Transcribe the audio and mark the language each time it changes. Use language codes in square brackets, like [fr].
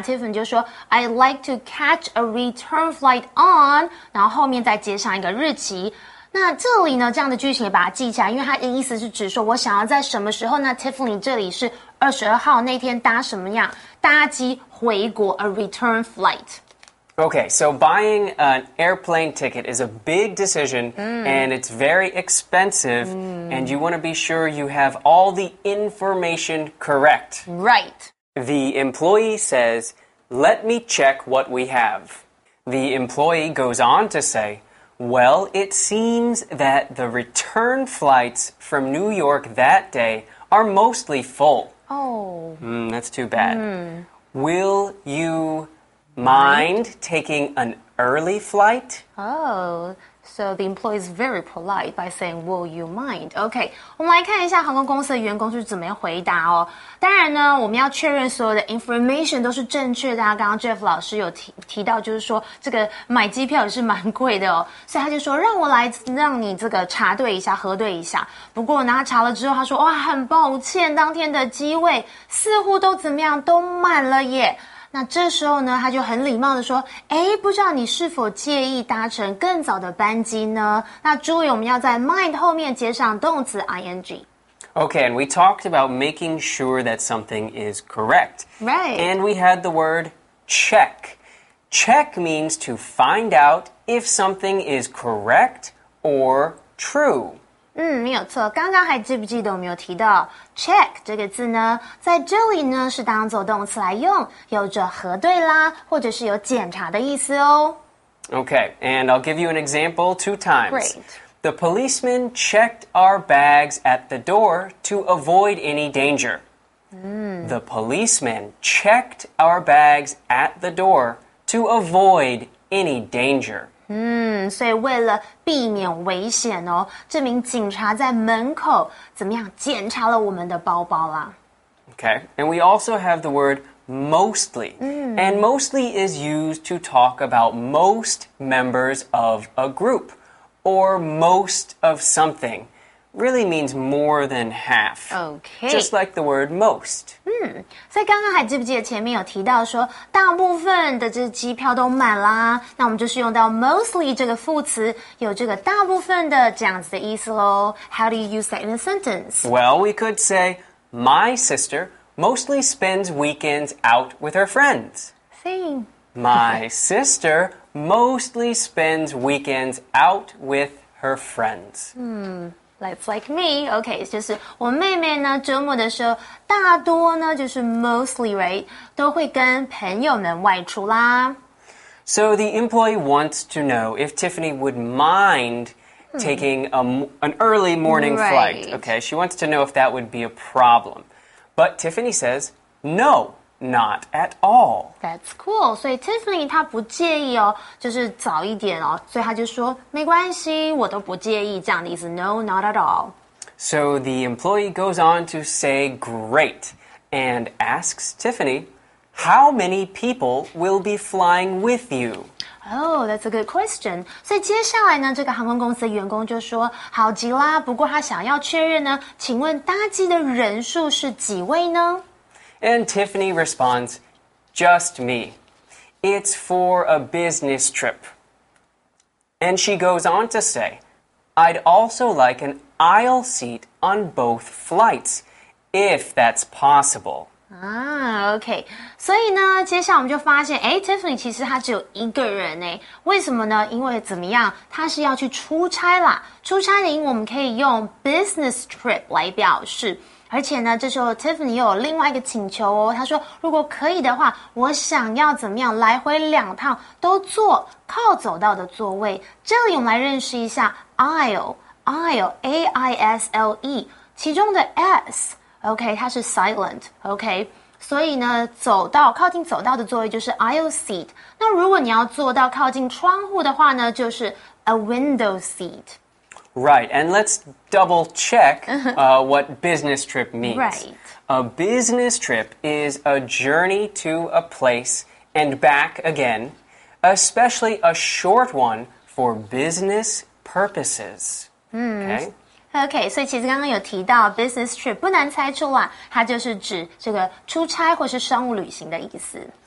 [zh] Tiffany 就说 [en] I'd like to catch a return flight on, [zh] 然后后面再接上一个日期。那这里呢这样的句型也把它记起来因为它的意思是指说我想要在什么时候呢 Tiffany 这里是22号那天搭什么样搭机回国 [en] a return flight. OK, so buying an airplane ticket is a big decision,and it's very expensive. And you want to be sure you have all the information correct. Right. The employee says, let me check what we have. The employee goes on to say, well, it seems that the return flights from New York that day are mostly full. Oh. That's too bad. Will you Mind taking an early flight? So the employee is very polite by saying, will you mind? [zh] Okay, 我们来看一下航空公司的员工是怎么样回答哦。当然呢，我们要确认所有的 information 都是正确的啊。刚刚 Jeff 老师有 提到就是说这个买机票也是蛮贵的哦。所以他就说让我来让你这个查对一下核对一下。不过呢他查了之后他说哇很抱歉当天的机位似乎都怎么样都满了耶。那这时候呢他就很礼貌的说诶不知道你是否介意搭乘更早的班机呢那注意我们要在 mind 后面接上动词 ing. [en] Okay, and we talked about making sure that something is correct. Right. And we had the word check. Check means to find out if something is correct or true. [zh] 嗯没有错刚刚还记不记得我们有提到 check 这个字呢在这里呢是当作动词来用有着核对啦或者是有检查的意思哦。 [en] Okay, and I'll give you an example two times. Great. The policeman checked our bags at the door to avoid any danger. The policeman checked our bags at the door to avoid any danger. [zh] 所以为了避免危险哦，这名警察在门口怎么样检查了我们的包包啦 [en] Okay, and we also have the word mostly. And mostly is used to talk about most members of a group or most of something. Really means more than half. Okay. Just like the word most. [zh] 所以刚刚还记不记得前面有提到说大部分的这机票都满啦那我们就是用到 mostly 这个副词有这个大部分的这样子的意思咯。 [en] How do you use that in a sentence? Well, we could say, my sister mostly spends weekends out with her friends. Same. My sister mostly spends weekends out with her friends. Like me, okay, [zh] 就是我妹妹呢周末的时候大多呢就是 mostly, right, 都会跟朋友们外出啦。 [en] So the employee wants to know if Tiffany would mind taking an early morning flight. Okay, she wants to know if that would be a problem. But Tiffany says, no. Not at all. That's cool. [zh] So Tiffany, 她不介意哦，就是早一点哦，所以她就说没关系，我都不介意这样的意思。 [en] No, not at all. So the employee goes on to say, "Great," and asks Tiffany, "How many people will be flying with you?" Oh, that's a good question. [zh] 所以接下来呢，这个航空公司的员工就说，好极啦。不过他想要确认呢，请问搭机的人数是几位呢？ [en] And Tiffany responds, just me. It's for a business trip. And she goes on to say, I'd also like an aisle seat on both flights, if that's possible. Okay. [zh] 所以呢接下来我们就发现诶 Tiffany 其实她只有一个人诶。为什么呢因为怎么样她是要去出差啦。出差的英文我们可以用 business trip 来表示。而且呢这时候 Tiffany 又有另外一个请求哦他说如果可以的话我想要怎么样来回两趟都坐靠走道的座位。这里我们来认识一下 aisle, A-I-S-L-E, 其中的 S, OK, 它是 silent, OK, 所以呢走道靠近走道的座位就是 aisle seat, 那如果你要坐到靠近窗户的话呢就是 a window seat。 [en] Right, and let's double check, what business trip means. Right. A business trip is a journey to a place and back again, especially a short one for business purposes. [zh] Okay, 所以其实刚刚有提到 business trip, 不难猜出啦，它就是指这个出差或是商务旅行的意思。